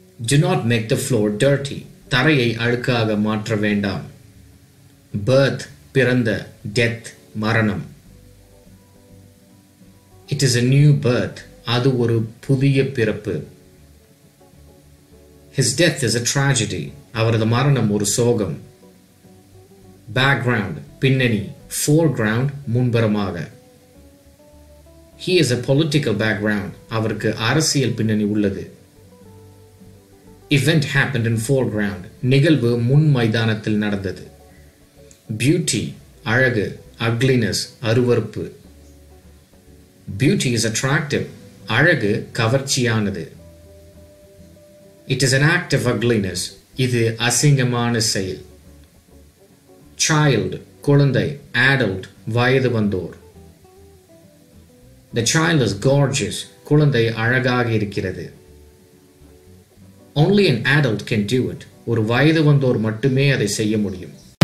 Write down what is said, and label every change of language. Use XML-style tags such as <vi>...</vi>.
<en>do not make the floor dirty,</en> <ta>தரையை அழுக்காக மாற்ற வேண்டாம். பர்த் பிறந்த, டெத் மரணம்.</ta> <en>it is a new birth,</en> <ta>அது ஒரு புதிய பிறப்பு.</ta> <en>His death is a tragedy,</en> <ta>அவரது மரணம் ஒரு சோகம். Background பின்னணி, foreground முன்புறமாக.</ta> <en>He is a political background,</en> <ta>அவருக்கு அரசியல் பின்னணி உள்ளது.</ta> <en>Event happened in foreground,</en> <ta>நிகழ்வு முன் மைதானத்தில் நடந்தது. Beauty அழகு, ugliness அருவறுப்பு.</ta> <en>Beauty is attractive,</en> <ta>அழகு கவர்ச்சியானது.</ta> <en>It is an act of ugliness,</en> <ta>இது அசிங்கமான செயல். Child குழந்தை, adult வயது வந்தோர்.</ta> <en>The child is gorgeous,</en> <ta>குழந்தை அழகாக இருக்கிறது.</ta> <en>Only an adult can do it,</en> <ta>ஒரு வயது வந்தோர் மட்டுமே அதை செய்ய முடியும்.</ta>